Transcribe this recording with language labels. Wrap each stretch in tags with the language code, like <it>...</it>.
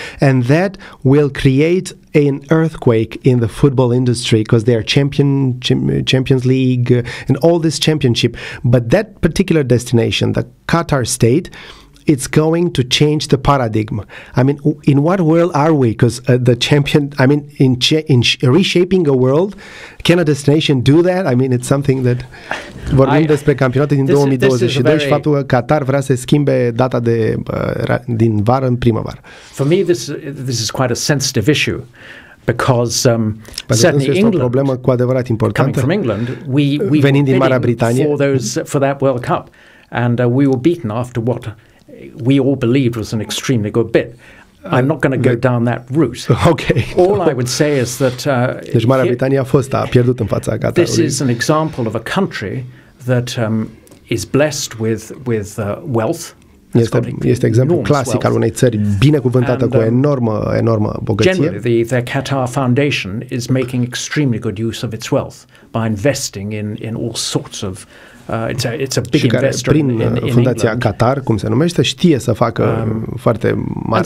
<en>And that will create an earthquake in the football industry because they are Champions League and all this championship. But that particular destination, the Qatar state, it's going to change the paradigm. I mean, in what world are we? Because reshaping a world, can a destination do that? I mean, it's something that...</en> <ro>Vorbim despre campionatul din 2022 și faptul că Qatar vrea să schimbe data de din vară în primăvară.</ro> <en>For me, this is quite a sensitive issue. Because certainly England,</en> <ro>problemă cu adevărat importantă,</ro> <en>coming from England, we were bidding</en> <ro>Marea Britanie,</ro> <en>for that World Cup. And we were beaten after what... we all believed was an extremely good bid. I'm not going to go down that route. Okay. All I would say is that</en> <ro>deci Marea Britanie a fost, a pierdut în fața Qatarului.</ro> <en>This is an example of a country that is blessed with wealth.</en> <ro>Este exemplu clasic al unei țări binecuvântate cu enormă bogăție.</ro> <en>Generally, the Qatar Foundation is making extremely good use of its wealth by investing in all sorts of it's a big investor</en> <ro>prin</ro> <en>in</en> <ro>Fundația Qatar, cum se numește, știe să facă foarte mare</ro>